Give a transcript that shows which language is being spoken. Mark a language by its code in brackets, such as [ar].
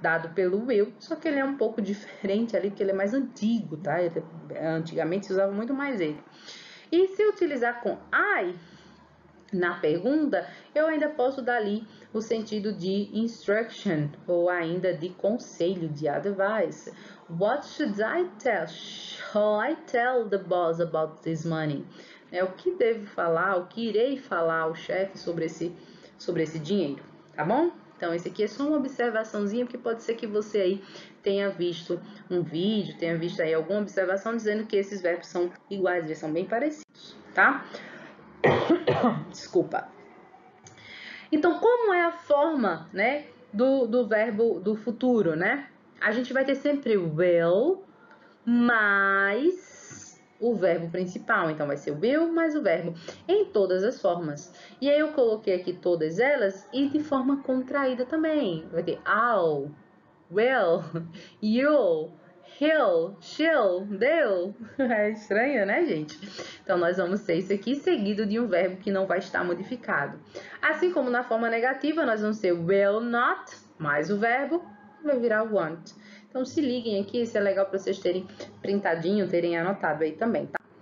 [pt] Dado pelo eu, só que ele é um pouco diferente ali, porque ele é mais antigo, tá? Antigamente se usava muito mais ele. E se utilizar com I na pergunta, eu ainda posso dar ali o sentido de instruction, ou ainda de conselho, de advice. [en] What should I tell? Shall I tell the boss about this money? [pt] É o que devo falar, o que irei falar ao chefe sobre esse dinheiro, tá bom? Então, esse aqui é só uma observaçãozinha, porque pode ser que você aí tenha visto um vídeo, tenha visto aí alguma observação dizendo que esses verbos são iguais, eles são bem parecidos, tá? Desculpa. Então, como é a forma, né, do verbo do futuro, né? A gente vai ter sempre will mais o verbo principal, então vai ser o will mais o verbo, em todas as formas. E aí eu coloquei aqui todas elas e de forma contraída também. Vai ter all, will, you, he'll, she'll, they'll. É estranho, né, gente? Então nós vamos ter isso aqui seguido de um verbo que não vai estar modificado. Assim como na forma negativa, nós vamos ter will not mais o verbo, vai virar won't. Então, se liguem aqui, isso é legal para vocês terem printadinho, terem anotado aí também, tá?